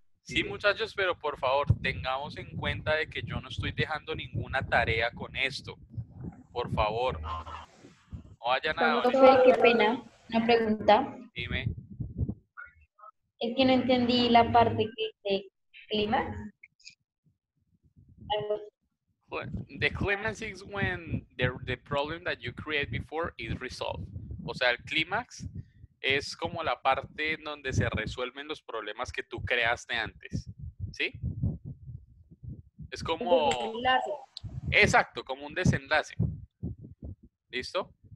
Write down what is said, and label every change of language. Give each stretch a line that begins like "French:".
Spanish: Sí, muchachos, pero por favor, tengamos en cuenta de que yo no estoy dejando ninguna tarea con esto. Por favor. No haya nada. Profe, qué pena. Una pregunta. Dime. Es que no entendí la parte que dice clímax.
English: The climax is when the problem that you create before is resolved.
Spanish: O sea, el clímax es como la parte en donde se resuelven los problemas que tú creaste antes. ¿Sí? Es como... un desenlace. Exacto, como un desenlace. ¿Listo?